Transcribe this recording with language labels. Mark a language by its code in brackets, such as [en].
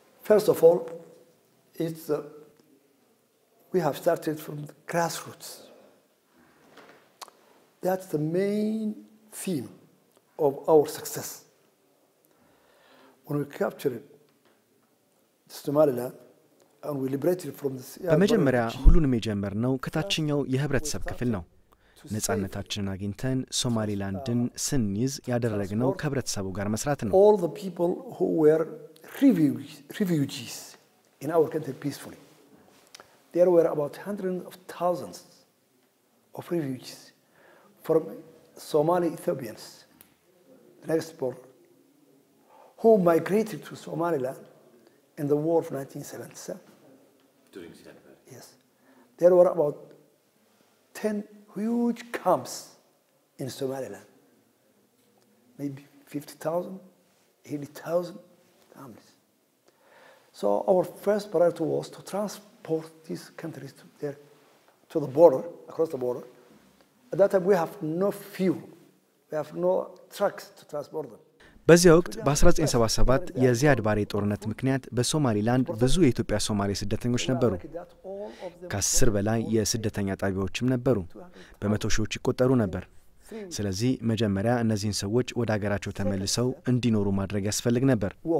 [en] First of all, it's we have started from the grassroots. That's the main theme of our success. When we captured the Somaliland and we liberated from the በመጀመሪያ ሁሉንም የጀመርነው ከታችኛው የህብረተሰብ ክፍል ነው። ነጻነታችንን አግኝተን ሶማሊላንድን ስንይዝ ያደረግነው ከህብረተሰቡ ጋር መስራት ነው። All the people who were refugees in our country peacefully. There were about hundreds of thousands of refugees from Somali Ethiopians. Next port who migrated to Somaliland in the war of 1977. During September? Yes. There were about 10 huge camps in Somaliland. Maybe 50,000, 80,000 families. So our first priority was to transport these countries to the border, across the border. At that time, we have no fuel. We have no trucks to transport them. [am] በዚያ ወቅት በ1977 የዚያድ ባሬ ጦርነት ምክንያት በሶማሊላንድ ብዙ የኢትዮጵያ ሶማሌ ስደተኞች ነበሩ። ከስር በላይ የስደተኛ ጣቢያዎችም ነበሩ። በመቶ ሺዎች ይቆጠሩ ነበር። ስለዚህ መጀመሪያ እነዚህን ሰዎች ወደ አገራቸው ተመልሰው እንዲኖሩ ማድረግ ያስፈልግ ነበር።